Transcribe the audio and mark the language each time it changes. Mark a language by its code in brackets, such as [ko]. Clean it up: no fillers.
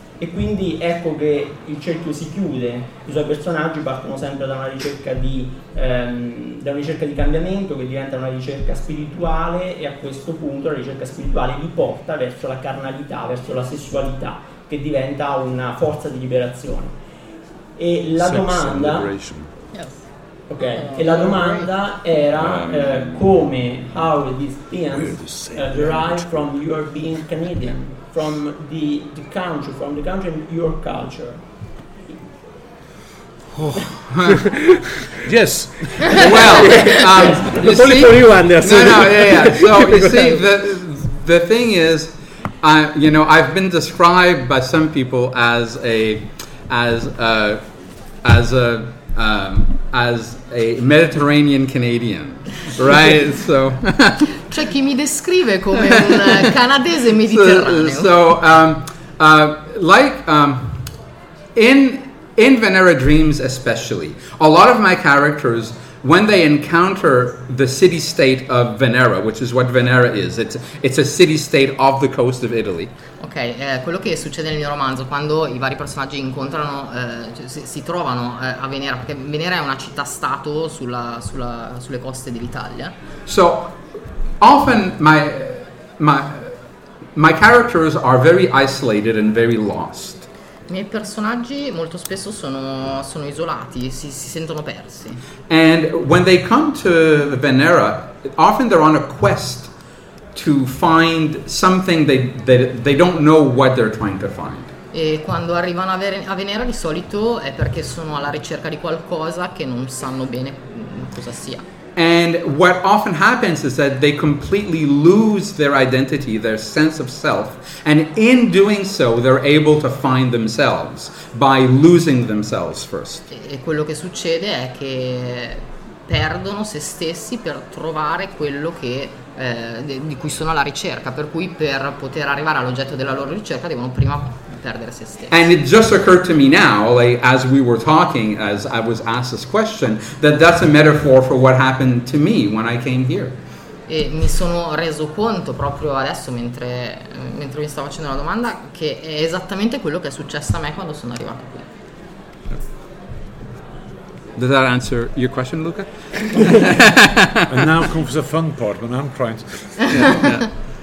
[it] E quindi ecco che il cerchio si chiude, i suoi personaggi partono sempre da una ricerca di cambiamento che diventa una ricerca spirituale e a questo punto la ricerca spirituale li porta verso la carnalità, verso la sessualità, che diventa una forza di liberazione. E la [en] Sex [it] domanda... [en] Yes. [it] Ok, e la domanda era come, [en] how these things derive from your being Canadian? From the country, from the country and your culture. Oh. Yes. Well, it's only for you, Anders. No. So you see, the thing is, I've been described by some people as a Mediterranean Canadian, right? So. [it] C'è chi mi descrive come un canadese mediterraneo. [en] In Venera Dreams especially, a lot of my characters, when they encounter the city-state of Venera, which is what Venera is, it's a city-state off the coast of Italy. [it] Ok, quello che succede nel mio romanzo, quando i vari personaggi incontrano, si trovano a Venera, perché Venera è una città-stato sulle coste dell'Italia. [en] So, often my characters are very isolated and very lost. [it] I miei personaggi molto spesso sono isolati, si sentono persi. [en] And when they come to Venera, often they're on a quest to find something they don't know what they're trying to find. [it] E quando arrivano a Venera di solito è perché sono alla ricerca di qualcosa che non sanno bene cosa sia. [en] And what often happens is that they completely lose their identity, their sense of self, and in doing so they're able to find themselves by losing themselves first. [it] E quello che succede è che perdono se stessi per trovare quello che di cui sono alla ricerca, per cui per poter arrivare all'oggetto della loro ricerca devono prima perdere se stessi. [en] And it just occurred to me now, like as we were talking, as I was asked this question, that that's a metaphor for what happened to me when I came here. [it] E mi sono reso conto proprio adesso mentre mi stavo facendo la domanda che è esattamente quello che è successo a me quando sono arrivato qui. [en] Did that answer your question, Luca? And now comes the fun part when I'm trying to.